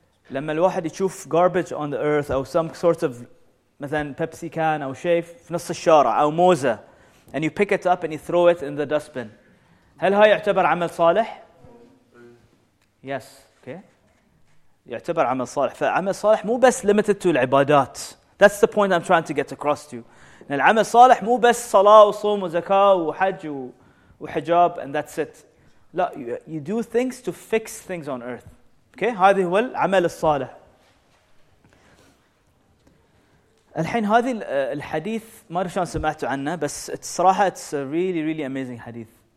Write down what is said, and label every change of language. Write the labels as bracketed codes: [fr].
[ar] لما الواحد يشوف [en] garbage on the earth أو some sort of مثلاً Pepsi can [ar] أو شيء في نص الشارع أو موزة [en] and you pick it up and you throw it in the dustbin. [ar] هل هاي يعتبر عمل صالح؟ Yes. Okay. يعتبر عمل صالح. فعمل صالح مو بس [en] limited to [ar] العبادات. [en] That's the point I'm trying to get across to you. [ar] إن العمل صالح مو بس صلاة وصوم وزكاة وحج و وحجاب [en] and that's it. لا, you do things to fix things on earth. [ar] Okay, هذه هو العمل الصالح. الحين هذه الحديث ما أدري شلون سمعتوا عنه بس صراحة [en] it's a really really amazing [ar] حديث.